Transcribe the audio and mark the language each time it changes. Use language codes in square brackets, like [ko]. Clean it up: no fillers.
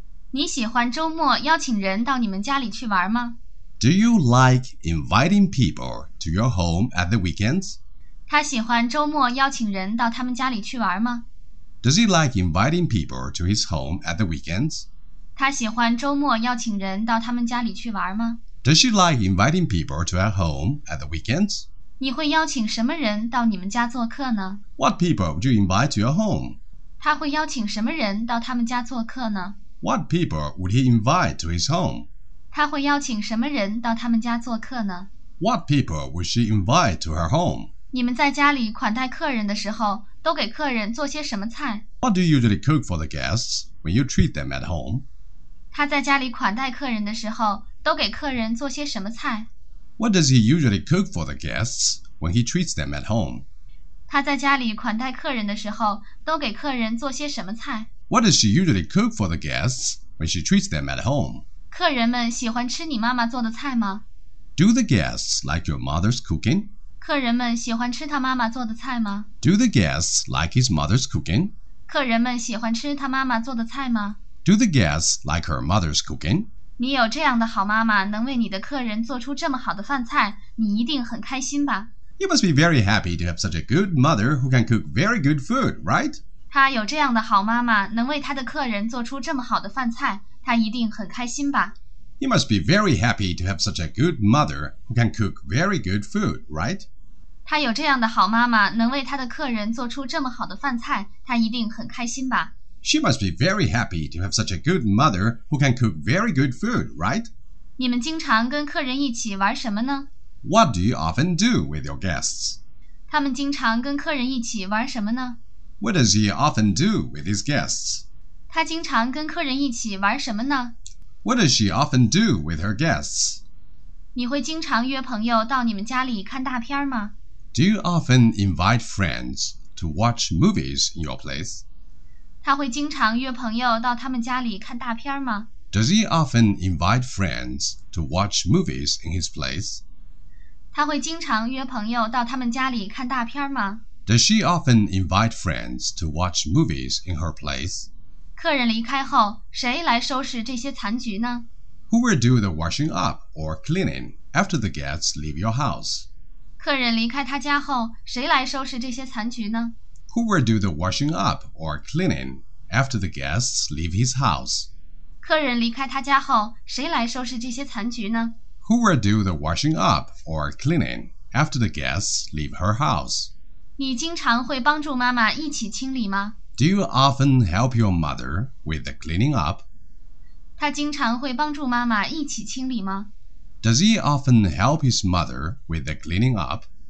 [zh] 你喜欢周末邀请人到你们家里去玩吗？ [en] Do you like inviting people to your home at the weekends? [zh] 他喜欢周末邀请人到他们家里去玩吗？ [en] Does he like inviting people to his home at the weekends? [zh] 他喜欢周末邀请人到他们家里去玩吗？ [en] Does she like inviting people to her home at the weekends? [zh] 你会邀请什么人到你们家做客呢？ [en] What people would you invite to your home? [zh] 他会邀请什么人到他们家做客呢？ [en] What people would he invite to his home? [zh] 他会邀请什么人到他们家做客呢？ [en] What people would she invite to her home? [zh] 你们在家里款待客人的时候，都给客人做些什么菜？ [en] What do you usually cook for the guests when you treat them at home? [zh] 他在家里款待客人的时候都给客人做些什么菜？ [en] What does he usually cook for the guests when he treats them at home? [zh] 他在家里款待客人的时候都给客人做些什么菜？ [en] What does she usually cook for the guests when she treats them at home? [zh] 客人们喜欢吃你妈妈做的菜吗？ [en] Do the guests like your mother's cooking? [zh] 客人们喜欢吃他妈妈做的菜吗？ [en] Do the guests like his mother's cooking? [zh] 客人们喜欢吃他妈妈做的菜吗？ [en] Do the guests like her mother's cooking? [zh] 你有这样的好妈妈，能为你的客人做出这么好的饭菜，你一定很开心吧。 [en] You must be very happy to have such a good mother who can cook very good food, right? [zh] 她有这样的好妈妈，能为她的客人做出这么好的饭菜，她一定很开心吧。 [en] You must be very happy to have such a good mother who can cook very good food, right? [zh] 她有这样的好妈妈，能为她的客人做出这么好的饭菜，她一定很开心吧。 [en] She must be very happy to have such a good mother who can cook very good food, right? [zh] 你们经常跟客人一起玩什么呢？ [en] What do you often do with your guests? [zh] 他们经常跟客人一起玩什么呢？ [en] What does he often do with his guests? [zh] 他经常跟客人一起玩什么呢？ [en] What does she often do with her guests? [zh] 你会经常约朋友到你们家里看大片吗？ [en] Do you often invite friends to watch movies in your place? [zh] 他会经常约朋友到他们家里看大片吗？ [en] Does he often invite friends to watch movies in his place? [zh] 他会经常约朋友到他们家里看大片吗？ [en] Does she often invite friends to watch movies in her place? [zh] 客人离开后，谁来收拾这些残局呢？ [en] Who will do the washing up or cleaning after the guests leave your house? [zh] 客人离开他家后，谁来收拾这些残局呢？ [en] Who will do the washing up or cleaning after the guests leave his house? [zh] 客人离开他家后，谁来收拾这些残局呢？ [en] who will do the washing up or cleaning after the guests leave her house? [zh] 你经常会帮助妈妈一起清理吗? [en] Do you often help your mother with the cleaning up? [zh] 她经常会帮助妈妈一起清理吗? [en] Does he often help his mother with the cleaning up?